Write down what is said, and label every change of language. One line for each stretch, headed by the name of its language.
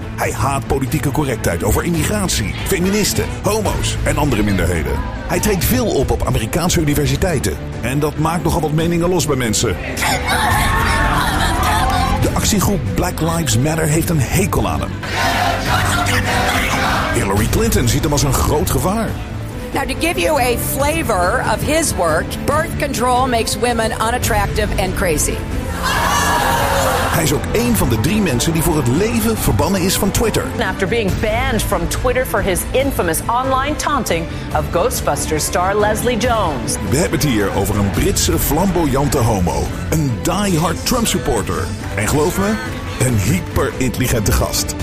Dutch: Hij haat politieke correctheid over immigratie, feministen, homo's en andere minderheden. Hij treedt veel op Amerikaanse universiteiten. En dat maakt nogal wat meningen los bij mensen. De actiegroep Black Lives Matter heeft een hekel aan hem. Hillary Clinton ziet hem als een groot gevaar.
English: Now to give you a flavor of his work, birth control makes women unattractive and crazy.
Dutch: Hij is ook een van de drie mensen die voor het leven verbannen is van Twitter.
English: After being banned from Twitter for his infamous online taunting of Ghostbusters star Leslie Jones.
Dutch: We hebben het hier over een Britse flamboyante homo, een diehard Trump supporter en geloof me, een hyper intelligente gast.